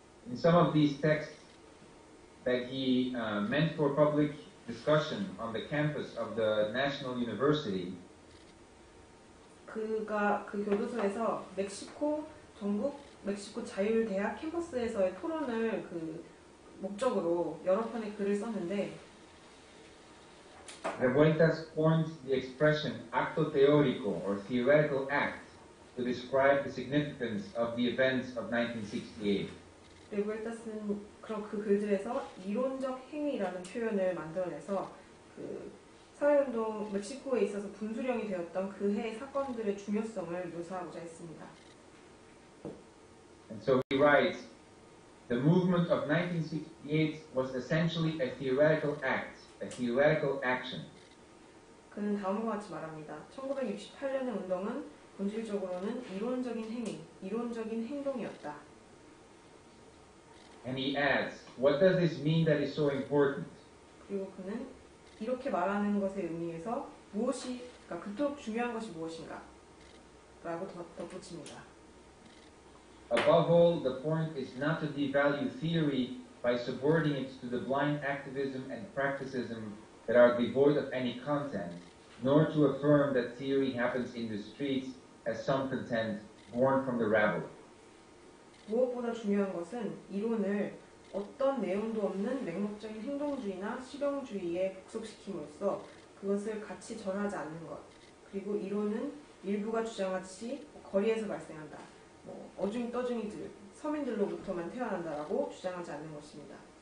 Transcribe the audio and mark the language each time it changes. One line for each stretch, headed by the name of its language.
English: In some of these texts that he meant for public discussion on the campus of the National University,
Korean: 그가 그 교도소에서 멕시코 전국 멕시코 자율대학 캠퍼스에서의 토론을 그 목적으로 여러 편의 글을 썼는데
English: Revueltas coined the expression acto teórico or theoretical act to describe the significance of the events of 1968.
Korean: 레부엘타스는 그런 그 글들에서 이론적 행위라는 표현을 만들어내서 그 사회운동 멕시코에 있어서 분수령이 되었던 그 해의 사건들의 중요성을 묘사하고자 했습니다.
English: And so he writes, The movement of 1968 was essentially a theoretical act, a theoretical action.
Korean: 그는 다음과 같이 말합니다. 1968년의 운동은 본질적으로는 이론적인 행위, 이론적인 행동이었다.
English: And he adds, what does this mean that is so important?
Korean: 그리고 그는 이렇게 말하는 것의 의미에서 무엇이, 그러니까 그토록 중요한 것이 무엇인가? 라고 덧붙입니다.
English: Above all, the point is not to devalue theory by subverting it to the blind activism and practicism that are devoid of any content, nor to affirm that theory happens in the streets as some contend, born from the rabble.
Korean: 무엇보다 중요한 것은 이론을 어떤 내용도 없는 맹목적인 행동주의나 실용주의에 복속시킴으로써 그것을 같이 전하지 않는 것, 그리고 이론은 일부가 주장하듯이 거리에서 발생한다, 뭐 어중이 떠중이들, 서민들로부터만 태어난다라고 주장하지 않는 것입니다.